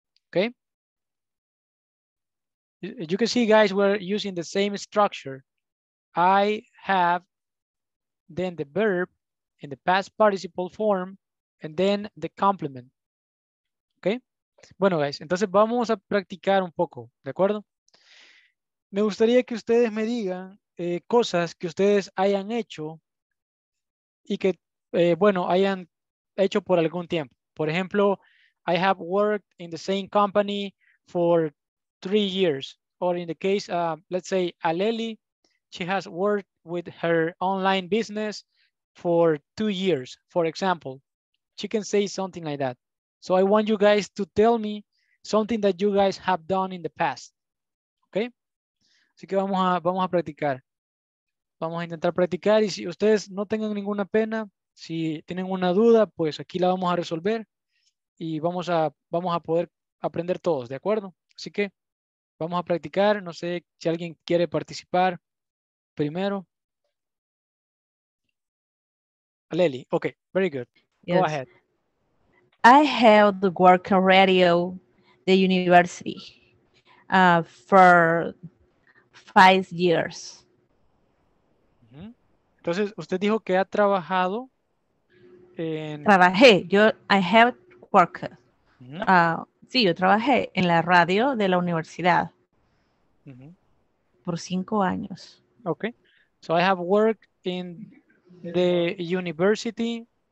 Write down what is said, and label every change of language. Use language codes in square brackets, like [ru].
[en] Okay? You can see, guys, we're using the same structure. I have, then the verb in the past participle form, and then the complement. Okay? [es] Bueno, guys, entonces vamos a practicar un poco, ¿de acuerdo? Me gustaría que ustedes me digan cosas que ustedes hayan hecho y que, bueno, hayan hecho por algún tiempo. Por ejemplo, [en] I have worked in the same company for 3 years. Or in the case, let's say, Aleli, she has worked with her online business for 2 years, for example. She can say something like that. So I want you guys to tell me something that you guys have done in the past. [es] Okay? Así que vamos a practicar. Vamos a intentar practicar. Y si ustedes no tengan ninguna pena, si tienen una duda, pues aquí la vamos a resolver. Y vamos a poder aprender todos, ¿de acuerdo? Así que vamos a practicar. No sé si alguien quiere participar primero. [en] Aleli, okay, very good. Yes. Go ahead. I held the work on radio, the university, for 5 years. [es] Entonces, usted dijo que ha trabajado en... Trabajé, yo, [en] I held work. [es] Sí, yo trabajé en la radio de la universidad por 5 años. [en] Okay, so I have worked in the university